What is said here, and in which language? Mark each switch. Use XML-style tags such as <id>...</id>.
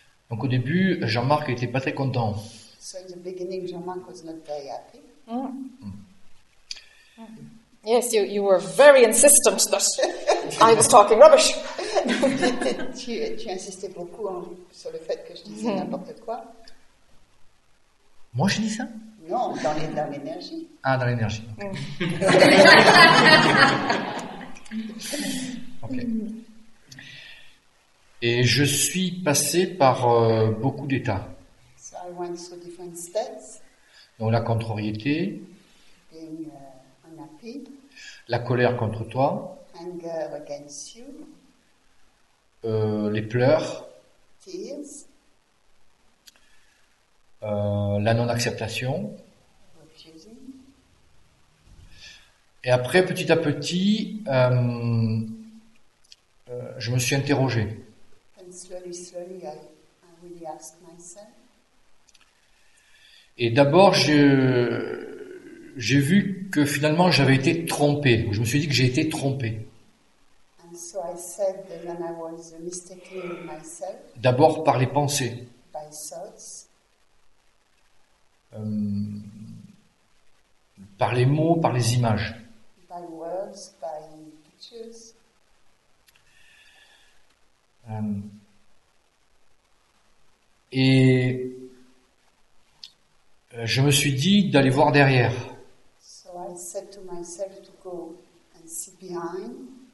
<fr>Donc au début, Jean-Marc n'était pas très content.</fr> <en>So in the beginning, Jean-Marc was not very happy. Yes, you were very insistent that I was talking rubbish.</en> <fr>Tu insistais beaucoup sur le fait que je disais n'importe quoi. Moi, je dis ça? Non, dans l'énergie. Ah, dans l'énergie.</fr> <en>Okay.</en> <fr>Et je suis passé par beaucoup d'états.</fr> <en>So I went through different states.</en> <fr>Donc la contrariété.</fr> <en>Being unhappy.</en> <fr>La colère contre toi.</fr> <en>Anger against you.</en> <fr>Les pleurs.</fr> <en>Tears.</en> <fr>La non-acceptation.</fr> <en>Refusing.</en> <fr>Et après, petit à petit, je me suis interrogé.</fr> <en>And slowly, slowly, I really asked myself.</en> <fr>Et d'abord, j'ai vu que finalement, j'avais été trompé. Je me suis dit que j'ai été trompé.</fr> <en>And so I said that when I was mistaken myself.</en> <fr>D'abord par les pensées.</fr> <en>By thoughts.</en> <fr>Par les mots, par les images.</fr> <en>By words, by pictures.</en> <fr>Et je me suis dit d'aller voir derrière.</fr> <en>So I said to myself to go and see behind.</en>